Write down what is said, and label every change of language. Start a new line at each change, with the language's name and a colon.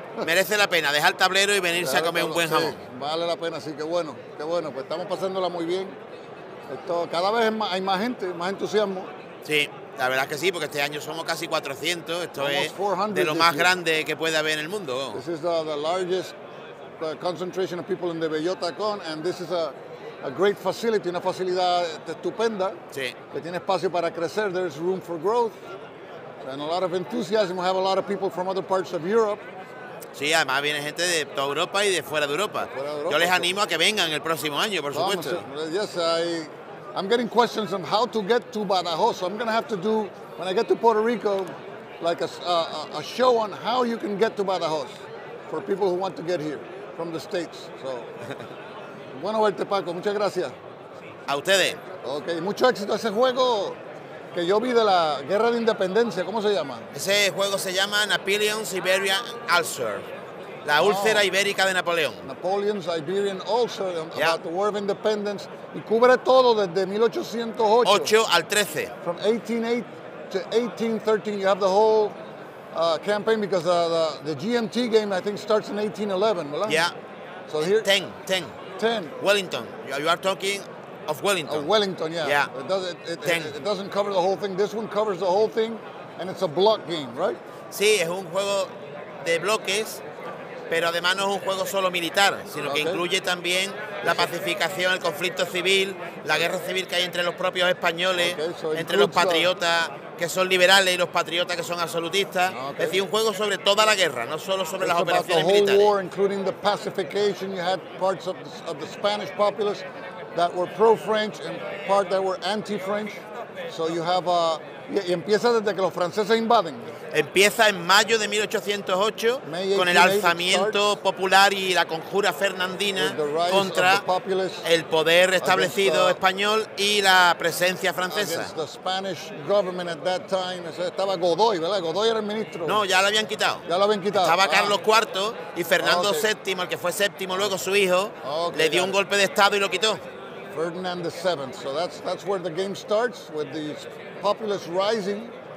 Spanish: Merece la pena dejar el tablero y venirse a comer un buen jamón. Vale la pena, sí, qué bueno. Pues estamos pasándola muy bien. Esto, cada vez hay más entusiasmo. Sí, la verdad es que sí, porque este año somos casi 400. Esto es de lo más grande que puede haber en el mundo.
English: This is the largest concentration of people in the Bellota Con, and this is a great facility,
Spanish: una facilidad estupenda, sí. que tiene espacio para crecer,
English: there's room for growth, and a lot of enthusiasm, we have a lot of people from other parts of Europe.
Spanish: Sí, además viene gente de toda Europa y de fuera de Europa. Fuera de Europa. Yo les animo a que vengan el próximo año, por supuesto.
English: Yes, I'm getting questions on how to get to Badajoz, so I'm going to have to do, when I get to Puerto Rico, like a show on how you can get to Badajoz, for people who want to get here, from the States, so...
Spanish: Bueno, verte, Paco. Muchas gracias. A ustedes. Ok. Mucho éxito a ese juego que yo vi de la Guerra de Independencia. ¿Cómo se llama? Ese juego se llama Napoleon's Iberian Ulcer. La úlcera ibérica de Napoleón.
English: Napoleon's Iberian Ulcer about the War of Independence.
Spanish: Y cubre todo desde 1808. 8 al 13.
English: From 1808 to 1813. You have the whole campaign, because the GMT game, I think, starts in 1811, right? Yeah. So here... 10, 10. 10. Wellington. You are talking of Wellington. Wellington, yeah. Yeah. It doesn't cover the whole thing. This one covers the whole thing, and it's a block game, right?
Spanish: Sí, es un juego de bloques, pero además no es un juego solo militar, sino que incluye también la pacificación, el conflicto civil, la guerra civil que hay entre los propios españoles, entre los patriotas que son liberales y los patriotas que son absolutistas. Es decir, un juego sobre toda la guerra, no solo sobre las operaciones militares.
English: The whole war, including the pacification. You had parts of the Spanish populace that were pro-French and part that were anti-French. So you have
Spanish: y empieza desde que los franceses invaden. Empieza en mayo de 1808 con el alzamiento popular y la conjura fernandina contra el poder establecido español y la presencia francesa.
English: The Spanish government at that time,
Spanish: estaba Godoy, ¿verdad? Godoy era el ministro. No, ya lo habían quitado. Ya lo habían quitado. Estaba Carlos IV y Fernando VII, el que fue séptimo luego su hijo, le dio un golpe de estado y lo quitó.
English: Ferdinand VII. So that's where the game starts with the populace rising.